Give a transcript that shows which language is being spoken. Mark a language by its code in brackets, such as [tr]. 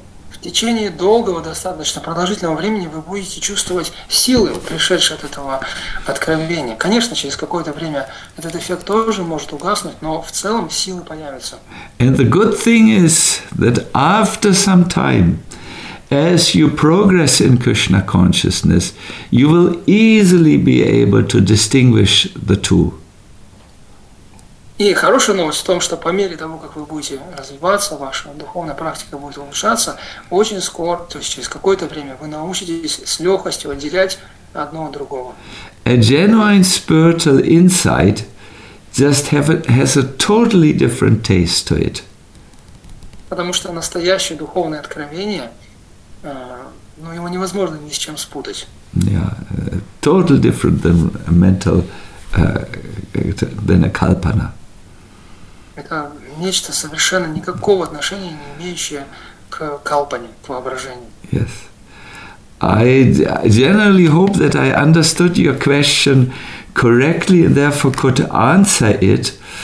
[ru] В течение долгого, достаточно продолжительного времени вы будете чувствовать силы, пришедшие от этого откровения. Конечно, через какое-то время этот эффект тоже может угаснуть, но в целом силы появятся. [en] And the good thing is that after some time, as you progress in Krishna consciousness, you will easily be able to distinguish the two. [ru] И хорошая новость в том, что по мере того, как вы будете развиваться, ваша духовная практика будет улучшаться, очень скоро, то есть через какое-то время, вы научитесь с легкостью отделять одно от другого. [en] A genuine spiritual insight just has a totally different taste to it. [ru] Потому что настоящее духовное откровение Но его невозможно ни с чем спутать. [en] Yeah, totally different than a mental, than a kalpana. [ru] Это нечто совершенно никакого отношения не имеющее к калпане, к воображению. [en] Yes. I generally hope that I understood your question correctly and therefore could answer it.